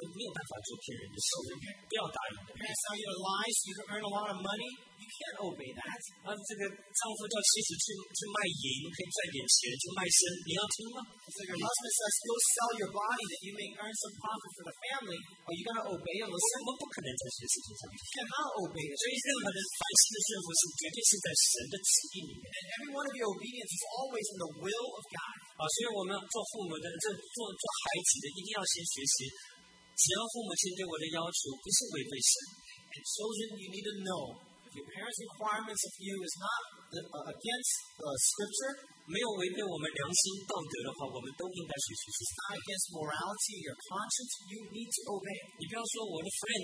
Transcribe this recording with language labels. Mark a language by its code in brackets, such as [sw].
[zh] 所以父母亲叫你撒谎，为了可以赚钱，我们没有办法做骗人的事，不要答应。 [en] Parents tell you to lie so you can earn a lot of money. Can't obey that. [zh] 这个丈夫叫妻子去卖淫，可以赚点钱，去卖身，你要听吗？ [en] So your husband says, go sell your body that you may earn some profit for the family. Are you going to obey him? [zh] 我们不可能在这些事情上。 [en] You cannot obey him. [zh] 所以任何的凡事的顺服是绝对是在神的旨意里面。 [en] And every one of your obedience is always in the will of God. [zh] 所以我们做父母的，做孩子的，一定要先学习，只要父母亲对我的要求不是违背神。 [en] And children, you need to know. If your parents' requirements of you is not against the scripture, [zh] 没有违背我们良心道德的话，我们都应该学习。 [en] Not against morality, your conscience, you need to obey.